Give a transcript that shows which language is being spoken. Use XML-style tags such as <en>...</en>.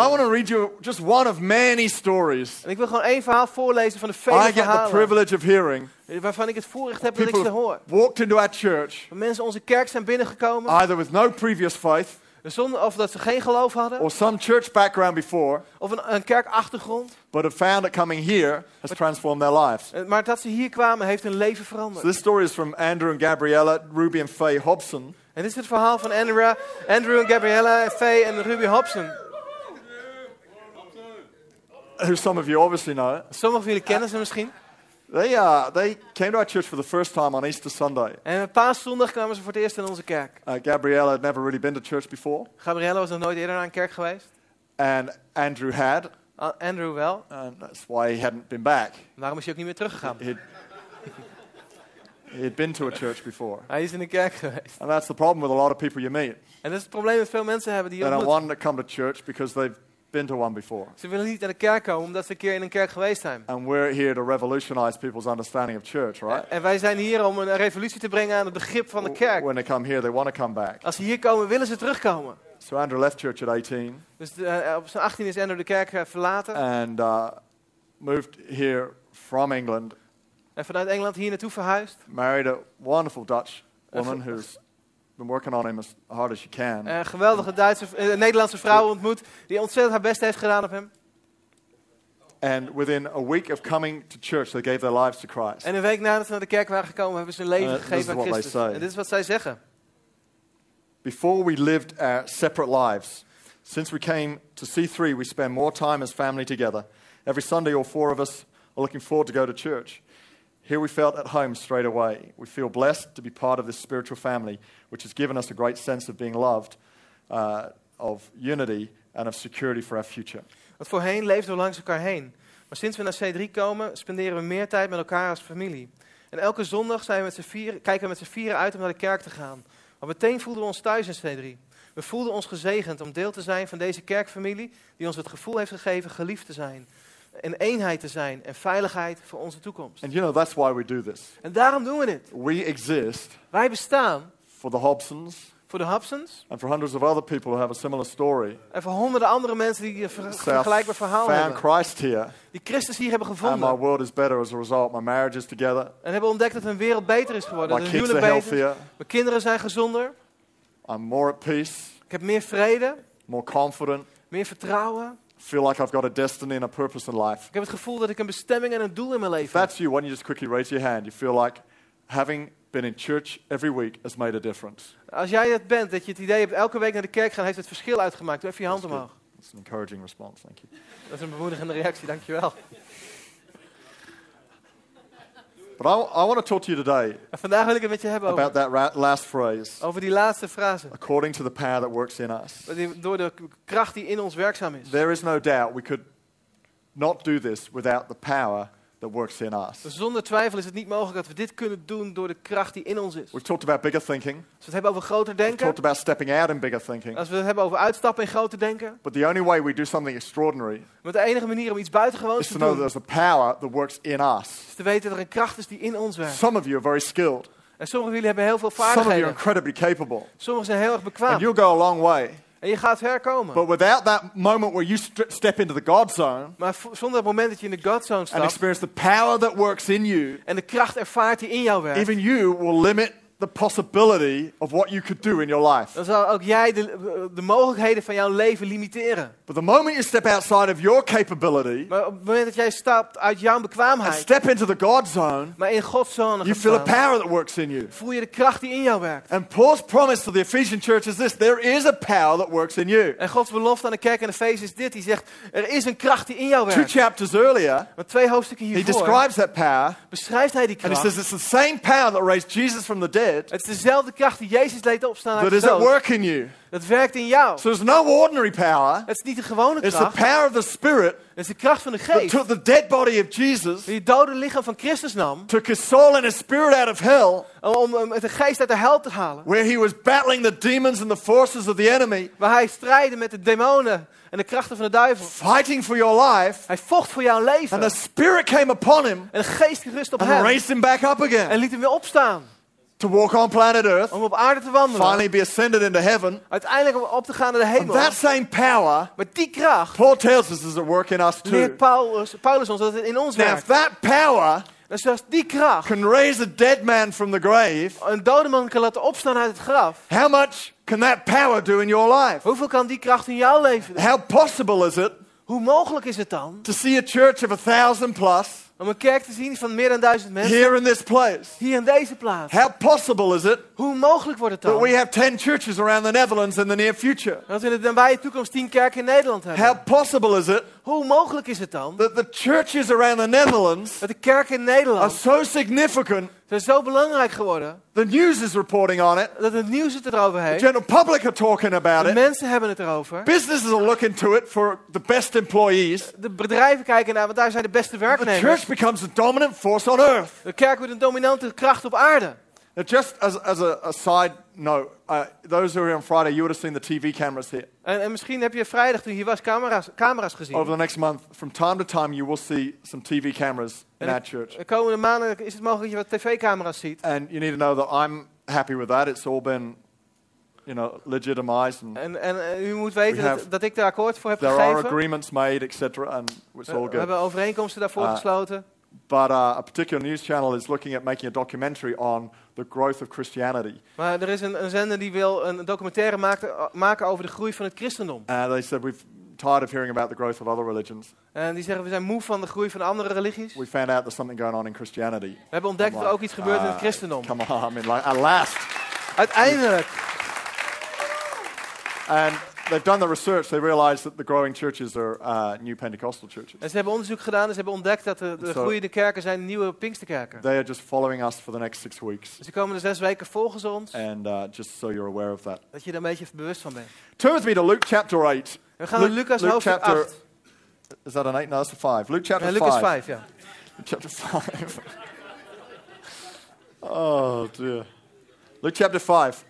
<en>And I want to read you just one of many stories.</en> <nl>En ik wil gewoon één verhaal voorlezen van de vele verhalen.</nl> <en>I get the privilege of hearing.</en> <nl>Waarvan ik het voorrecht heb dat ik ze hoor.</nl> <en>Walked into our church.</en> <nl>Mensen onze kerk zijn binnengekomen.</nl> <en>Either with no previous faith.</en> <nl>Zonder of dat ze geen geloof hadden.</nl> <en>Or some church background before.</en> <nl>Of een kerkachtergrond.</nl> <en>But have found that coming here has transformed their lives.</en> <nl>Maar dat ze hier kwamen heeft hun leven veranderd.</nl> <en>So this story is from Andrew and Gabriella, Ruby and Faye Hobson.</en> <nl>En dit is het verhaal van Andrew en Gabriella, Faye en Ruby Hobson.</nl> <en>Who some of you obviously know.</en> <nl>Sommige van jullie kennen ze misschien.</nl> <en>They came to our church for the first time on Easter Sunday.</en> <nl>En Paaszondag kwamen ze voor het eerst in onze kerk.</nl> <en>Gabriella had never really been to church before.</en> <nl>Gabriella was nog nooit eerder naar een kerk geweest.</nl> <en>And Andrew had.</en> <nl>Andrew wel.</nl> <en>And that's why he hadn't been back.</en> <nl>Waarom is hij ook niet meer teruggegaan?</nl> <en>He'd been to a church before.</en> <nl>Hij is in de kerk geweest.</nl> <en>And that's the problem with a lot of people you meet.</en> <nl>En dat is het probleem dat veel mensen hebben die je ontmoet.</nl> <en>They don't want to come to church because they've been to one before.</en> <nl>Ze willen niet naar de kerk komen omdat ze een keer in een kerk geweest zijn.</nl> <en>And we're here to revolutionize people's understanding of church, right?</en> <nl>En wij zijn hier om een revolutie te brengen aan het begrip van de kerk.</nl> <en>When they come here, they want to come back.</en> <nl>Als ze hier komen, willen ze terugkomen.</nl> <en>So Andrew left church at 18.</en> <nl>Dus op zijn 18 is Andrew de kerk verlaten.</nl> <en>And moved here from England.</en> <nl>En vanuit Engeland hier naartoe verhuisd.</nl> <en>Married a wonderful Dutch woman who's been working on him as hard as she can.</en> <nl>Een geweldige Nederlandse vrouw ontmoet die ontzettend haar best heeft gedaan op hem.</nl> <en>And within a week of coming to church, they gave their lives to Christ.</en> <nl>En een week nadat ze naar de kerk waren gekomen, hebben ze hun leven gegeven aan Christus. En dit is wat zij zeggen.</nl> <en>Before we lived our separate lives, since we came to C3, we spend more time as family together. Every Sunday, all four of us are looking forward to go to church. Here we felt at home straight away. We feel blessed to be part of this spiritual family, which has given us a great sense of being loved, of unity, and of security for our future.</en> <nl>Want voorheen leefden we langs elkaar heen. Maar sinds we naar C3 komen, spenderen we meer tijd met elkaar als familie. En elke zondag kijken we met z'n vieren uit om naar de kerk te gaan. Maar meteen voelden we ons thuis in C3. We voelden ons gezegend om deel te zijn van deze kerkfamilie, die ons het gevoel heeft gegeven geliefd te zijn. In eenheid te zijn en veiligheid voor onze toekomst.</nl> <en>And you know that's why we do this.</en> <nl>En daarom doen we dit.</nl> <en>We exist.</en> <nl>Wij bestaan.</nl> <en>For the Hobsons. For the Hobsons. And for hundreds of other people who have a similar story.</en> <nl>En voor honderden andere mensen die een vergelijkbaar verhaal hebben.</nl> <en>Found Christ here.</en> <nl>Die Christus hier hebben gevonden.</nl> <en>And my world is better as a result. My marriage is together.</en> <nl>En hebben ontdekt dat hun wereld beter is geworden.</nl> <en>My kids are healthier.</en> <nl>Mijn kinderen zijn gezonder.</nl> <en>I'm more at peace.</en> <nl>Ik heb meer vrede.</nl> <en>More confident.</en> <nl>Meer vertrouwen.</nl> <en>Feel like I've got a destiny and a purpose in life.</en> <nl>Ik heb het gevoel dat ik een bestemming en een doel in mijn leven heb.</nl> <en>If that's you, why don't you just quickly raise your hand? You feel like having been in church every week has made a difference.</en> <nl>Als jij dat bent, dat je het idee hebt elke week naar de kerk gaan, heeft het verschil uitgemaakt. Doe even je hand omhoog.</nl> <en>That's an encouraging response, thank you.</en> <nl>Dat is een bemoedigende reactie, dankjewel.</nl> <en>But I want to talk to you today.</en> <nl>En vandaag wil ik het met je hebben</nl> <en>about</en> <nl>over.</nl> <en>About that last phrase.</en> <nl>Over die laatste frase.</nl> <en>According to the power that works in us.</en> <nl>Door de kracht die in ons werkzaam is.</nl> <en>There is no doubt we could not do this without the power. that works in us.</en> <nl>Zonder twijfel is het niet mogelijk dat we dit kunnen doen door de kracht die in ons is.</nl> <en>We talked about bigger thinking.</en> <nl>Als we het hebben over groter denken.</nl> <en>We talked about stepping out in bigger thinking.</en> <nl>Als we het hebben over uitstappen in groter denken.</nl> <en>But the only way we do something extraordinary.</en> <nl>Maar de enige manier om iets buitengewoons te doen.</nl> <en>Is to know that there's a power that works in us.</en> <nl>Is te weten dat er een kracht is die in ons werkt.</nl> <en>Some of you are very skilled.</en> <nl>En sommigen van jullie hebben heel veel vaardigheden.</nl> <en>Some of you are incredibly capable.</en> <nl>Sommigen zijn heel erg bekwaam.</nl> <en>And you'll go a long way.</en> <nl>En je gaat ver komen.</nl> <en>But without that moment where you step into the God zone.</en> <nl>Maar zonder dat moment dat je in de God zone stapt.</nl> <en>And experience the power that works in you.</en> <nl>En de kracht ervaart die in jou werkt.</nl> <en>Even you will limit the possibility of what you could do in your life.</en> <nl>Dan zal ook jij de mogelijkheden van jouw leven limiteren.</nl> <en>But the moment you step outside of your capability.</en> <nl>Maar op het moment dat jij stapt uit jouw bekwaamheid.</nl> <en>And step into the God zone.</en> <nl>Maar in God zone.</nl> <en>You feel a power that works in you.</en> <nl>Voel je de kracht die in jou werkt.</nl> <en>And Paul's promise to the Ephesian church is this: there is a power that works in you.</en> <nl>En Gods belofte aan de kerk in Efeze is dit: hij zegt, er is een kracht die in jou werkt.</nl> <en>Two chapters earlier.</en> <nl>Maar twee hoofdstukken hiervoor.</nl> <en>He describes that power.</en> <nl>Beschrijft hij die kracht.</nl> <en>And he says it's the same power that raised Jesus from the dead.</en> <nl>Het is dezelfde kracht die Jezus leed opstaan uit de dood.</nl> <en>Work in you.</en> <nl>Dat werkt in jou.</nl> <en>So there's no ordinary power.</en> <nl>Het is niet de gewone kracht.</nl> <en>It's the power of the Spirit.</en> <nl>Het is de kracht van de Geest.</nl> <en>That took the dead body of Jesus.</en> <nl>Die dode lichaam van Christus nam.</nl> <en>Took his soul and his spirit out of hell.</en> <nl>Om met de geest uit de hel te halen.</nl> <en>Where he was battling the demons and the forces of the enemy.</en> <nl>Waar hij strijdde met de demonen en de krachten van de duivel.</nl> <en>Fighting for your life.</en> <nl>Hij vocht voor jouw leven.</nl> <en>And the Spirit came upon him.</en> <nl>En de Geest rust op</nl> <en>and</en> <nl>hem.</nl> <en>And raised him back up again.</en> <nl>En liet hem weer opstaan.</nl> <en>To walk on planet Earth,</en> <nl>om op aarde te wandelen,</nl> <en>finally be ascended into heaven,</en> <nl>uiteindelijk om op te gaan naar de hemel.</nl> <en>And that same power,</en> <nl>maar die kracht,</nl> <en>Paul tells us is at work in us too.</en> <nl>Leert Paulus ons dat het in ons werkt.</nl> <en>Now if that power,</en> <nl>dus als die kracht,</nl> <en>can raise a dead man from the grave,</en> <nl>een dode man kan laten opstaan uit het graf.</nl> <en>How much can that power do in your life?</en> <nl>Hoeveel kan die kracht in jouw leven doen?</nl> <en>How possible is it?</en> <nl>Hoe mogelijk is het dan?</nl> <en>To see a church of 1,000+.</en> <nl>Om een kerk te zien van meer dan 1,000 mensen.</nl> <en>Here in this place.</en> <nl>Hier in deze plaats.</nl> <en>How possible is it?</en> <nl>Hoe mogelijk wordt het dan?</nl> <en>That we have 10 churches around the Netherlands in the near future.</en> <nl>Dat we in de nabije toekomst 10 kerken in Nederland hebben.</nl> <en>How possible is it?</en> <nl>Hoe mogelijk is het dan?</nl> <en>That the churches around the Netherlands.</en> <nl>Dat de kerken in Nederland.</nl> <en>Are so significant.</en> <nl>Zijn zo belangrijk geworden.</nl> <en>The news is reporting on it.</en> <nl>Dat het nieuws het erover heeft.</nl> <en>The general public are talking about it.</en> <nl>De mensen hebben het erover.</nl> <en>Businesses are looking to it for the best employees.</en> <nl>De bedrijven kijken naar, want daar zijn de beste werknemers.</nl> <en>The church becomes a dominant force on earth.</en> <nl>De kerk wordt een dominante kracht op aarde.</nl> <en>Now just as a side note, those who are here on Friday, you would have seen the TV cameras here.</en> <nl>En misschien heb je vrijdag toen hier was camera's gezien.</nl> <en>Over the next month, from time to time, you will see some TV cameras in our church.</en> <nl>De komende maanden is het mogelijk dat je wat tv-camera's ziet.</nl> <en>And you need to know that I'm happy with that. It's all been, you know, legitimized.</en> <nl>En u moet weten dat ik daar akkoord voor heb</nl> <en>there</en> <nl>gegeven.</nl> <en>There are agreements made, etc. And it's all good.</en> <nl>We hebben overeenkomsten daarvoor gesloten.</nl> <en>But a particular news channel is looking at making a documentary on the growth of Christianity.</en> <nl>Maar er is een zender die wil een documentaire maken over de groei van het christendom.</nl> <en>They said we've tired of hearing about the growth of other religions.</en> <nl>En die zeggen we zijn moe van de groei van andere religies.</nl> <en>We found out there's something going on in Christianity.</en> <nl>We hebben ontdekt dat er ook iets gebeurt in het christendom.</nl> <en>Come on, I mean, like, at last.</en> <nl>Uiteindelijk.</nl> <en>And they've done the research. They realize that the growing churches are new Pentecostal churches.</en> <nl>En ze hebben onderzoek gedaan. Ze hebben ontdekt dat de groeiende kerken zijn nieuwe Pinksterkerken.</nl> <en>They are just following us for the next 6 weeks.</en> <nl>Ze komen de 6 weken volgens ons.</nl> <en>And just so you're aware of that.</en> <nl>Dat je daar een beetje bewust van bent.</nl> <en>Turn with me to Luke chapter 8.</en> <nl>We gaan naar Lucas hoofdstuk 8.</nl> <en>Is that an 8? No, that's a 5. Luke chapter 5.</en> <nl>Lucas 5, ja.</nl> <en>Chapter 5. Oh dear. Luke chapter 5.</en>